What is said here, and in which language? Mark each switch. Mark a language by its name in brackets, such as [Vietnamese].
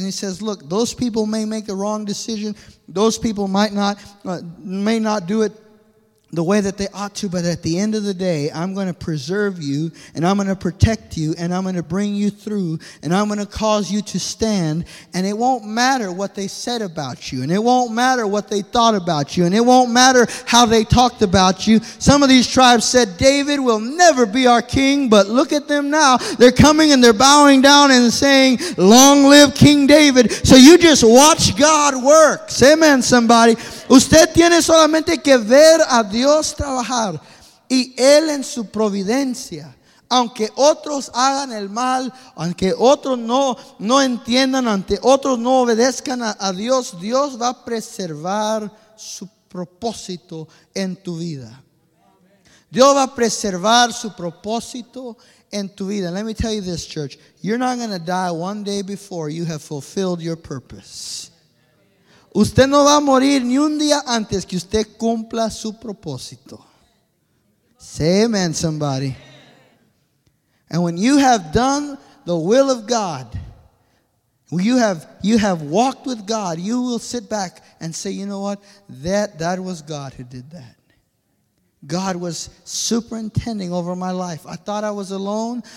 [English] And he says, look, those people may make the wrong decision. Those people might not, may not do it the way that they ought to, but at the end of the day, I'm going to preserve you, and I'm going to protect you, and I'm going to bring you through, and I'm going to cause you to stand, and it won't matter what they said about you, and it won't matter what they thought about you, and it won't matter how they talked about you. Some of these tribes said, David will never be our king, but look at them now. They're coming and they're bowing down and saying, long live King David. So you just watch God work. Say amen, somebody. [Spanish] Usted tiene solamente que ver a Dios trabajar y Él en su providencia, aunque otros hagan el mal, aunque otros no entiendan, ante otros no obedezcan a Dios, Dios va a preservar su propósito en tu vida. Dios va a preservar su propósito en tu vida. [English] Let me tell you this, church, you're not going to die one day before you have fulfilled your purpose. [Spanish] Usted no va a morir ni un día antes que usted cumpla su propósito. [English] Say amen, somebody. And when you have done the will of God, you have walked with God, you will sit back and say, you know what? That was God who did that. God was superintending over my life. I thought I was alone.